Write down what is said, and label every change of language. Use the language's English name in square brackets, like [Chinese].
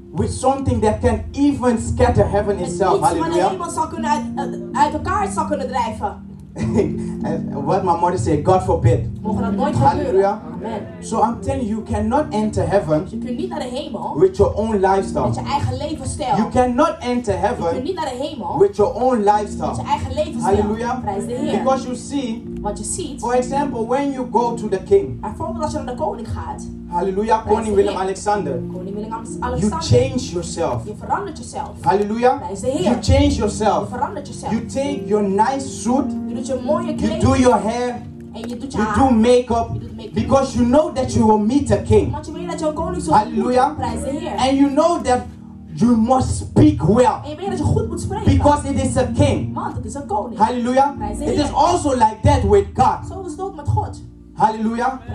[English] With something that can even scatter heaven itself. Hallelujah. [Dutch] Iets van de hemel zou kunnen uit elkaar zou kunnen drijven. [English] What my mother said, God forbid. [Dutch] Mogen dat nooit Hallelujah. Amen. [English] So I'm telling you, you cannot enter heaven. [Dutch] Je kunt niet naar de hemel. [English] With your own lifestyle. [Dutch] Met je eigen levensstijl. [English] You cannot enter heaven. [Dutch] Je kunt niet naar de hemel. [English] With your own lifestyle. [Dutch] Met je eigen levensstijl. Hallelujah. Prijs de Heer. [English] Because you see. [Dutch] Wat je ziet. [English] For example, when you go to the king. [Dutch] Bijvoorbeeld als je naar de koning gaat. [English] Hallelujah. Koning Willem-Alexander. You change yourself. [Dutch] Je verandert jezelf. Hallelujah. Prijs de Heer. [English] You change yourself. [Dutch] Je verandert jezelf. [English] You take your nice suit. [Dutch] Je doet je mooie kleding. [English] You do your hair. [Dutch] En je doet [English] make-up because you know that you will meet a king. Hallelujah. And you know that you must speak well. Because it is a king. Hallelujah. It is also like that with God. Hallelujah.